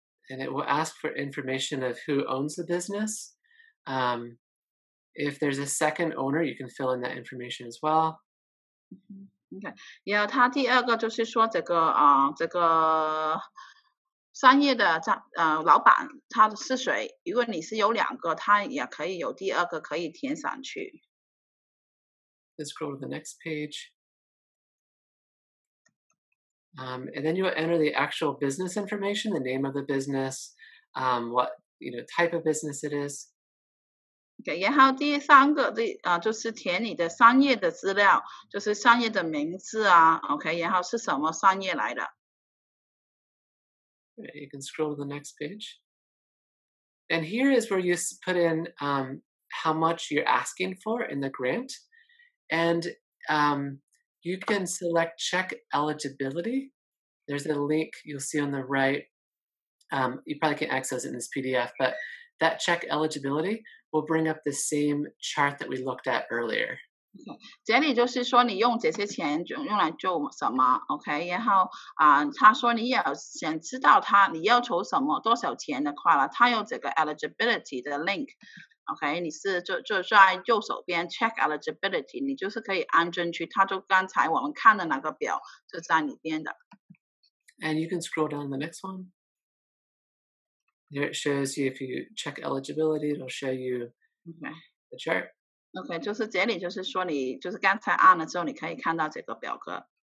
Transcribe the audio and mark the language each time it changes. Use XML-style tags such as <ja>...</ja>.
<en>And it will ask for information of who owns the business. If there's a second owner, you can fill in that information as well. Okay.</en> <zh>然后他第二个就是说这个商业的老板他是谁，如果你是有两个，他也可以有第二个可以填上去。</zh> <en>Let's scroll to the next page. And then you will enter the actual business information, the name of the business, what type of business it is.</en> <zh>Okay, 然后第三个就是填你的商业的资料，就是商业的名字啊, okay, 然后是什么商业来的。</zh> <en>Right, you can scroll to the next page. And here is where you put in how much you're asking for in the grant. And you can select check eligibility. There's a link you'll see on the right. You probably can't access it in this PDF, but that check eligibility will bring up the same chart that we looked at earlier.</en> <zh>Okay,这里就是说你用这些钱用来做什么，OK？然后他说你要想知道他你要筹什么多少钱的话了，他有这个 eligibility 的 link OK， 你是 就在右手边 check eligibility， 你就是可以按进去，它就刚才我们看的那个表就在里边的。</zh> <en>And you can scroll down the next one. There it shows you if you check eligibility, it'll show you the chart.</en> <zh>OK， 就是这里就是说你就是刚才按了之后你可以看到这个表格。</zh>